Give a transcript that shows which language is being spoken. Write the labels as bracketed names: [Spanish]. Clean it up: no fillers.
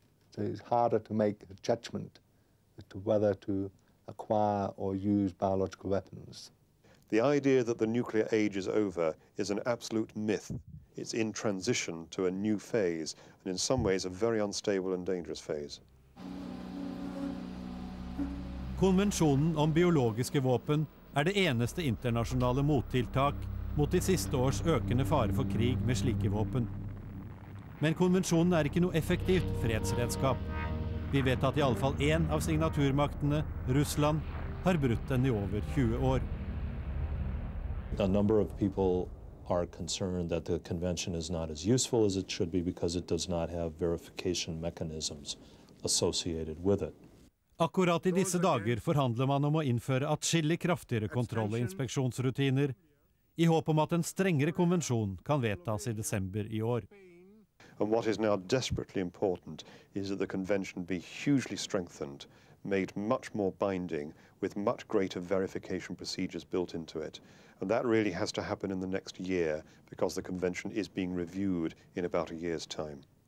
[English] So it's harder to make a judgment as to whether to acquire or use biological weapons. The idea that the nuclear age is over is an absolute myth. It's in transition to a new phase, and in some ways a very unstable and dangerous phase. [Norwegian] Konventionen om biologiske våpen det eneste internasjonale mottiltak mot de siste års økende fare for krig med slike våpen. Men konvensjonen ikke noe effektivt fredsredskap. Vi vet at i alle fall en av signaturmaktene, Russland, har brutt den i over 20 år. [English] A number of people are concerned that the convention is not as useful as it should be because it does not have verification mechanisms associated with it. [Norwegian] Akkurat i disse dager forhandler man om å innføre atskillig kraftigere kontroll- og inspeksjonsrutiner, i håp om at en strengere konvensjon kan vedtas i desember i år. [English] And what is now desperately important is that the convention be hugely strengthened, made much more binding, with much greater verification procedures built into it. And that really has to happen in the next year, because the convention is being reviewed in about a year's time.